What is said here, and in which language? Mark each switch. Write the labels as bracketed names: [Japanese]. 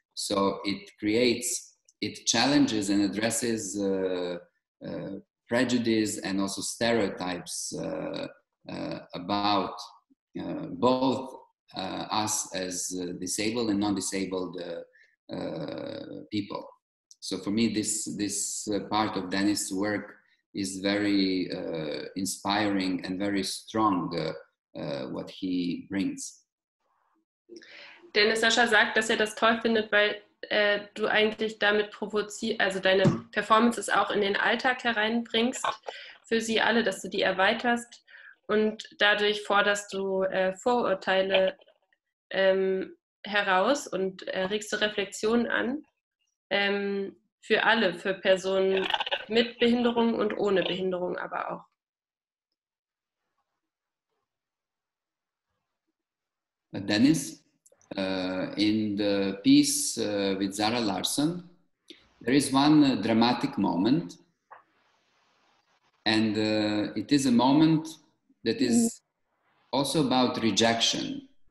[English] So it creates, it challenges and addresses prejudice and also stereotypes about both us as disabled and non-disabled people. So for me, this part of Dennis' work is very inspiring and very strong, what he brings. [German] Dennis Sascha sagt, dass er das toll findet, weil du eigentlich damit provozierst, also deine Performances auch in den Alltag hereinbringst für sie alle, dass du die erweiterst und dadurch forderst du Vorurteile heraus und regst du Reflexionen an für alle, für Personen mit Behinderung und ohne Behinderung aber auch. [English] Dennis, in the piece with Zara Larsson, there is one dramatic moment, and it is a moment that is also about rejection.